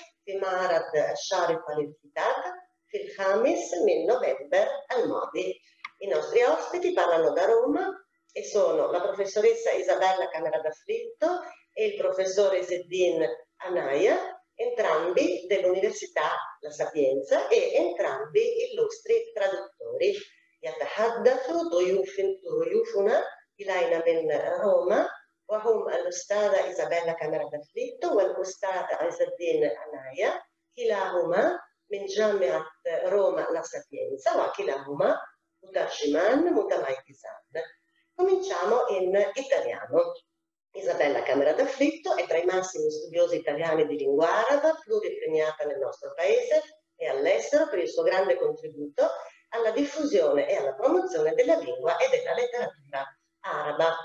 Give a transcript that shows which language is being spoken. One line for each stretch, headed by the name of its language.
Arabic: في معرض الشارقة للكتاب في الخامس من نوفمبر الماضي
Italian: I nostri ospiti parlano da Roma e sono la professoressa Isabella Cameradafritto e il professore Zeddin Anaya entrambi dell'Università La Sapienza e entrambi illustri traduttori.
Arabic: يتحدث ضيوفنا إلينا من روما وهم الأستاذة إيزابيلا كاميرا دافليتو والأستاذ عز الدين عنايا كلاهما من جامعة روما La Sapienza وكلاهما مترجمان متميزان.
Italian: Cominciamo in italiano. Isabella Camera d'Afflitto è tra i massimi studiosi italiani di lingua araba, pluripremiata nel nostro paese e all'estero per il suo grande contributo alla diffusione e alla promozione della lingua e della letteratura araba.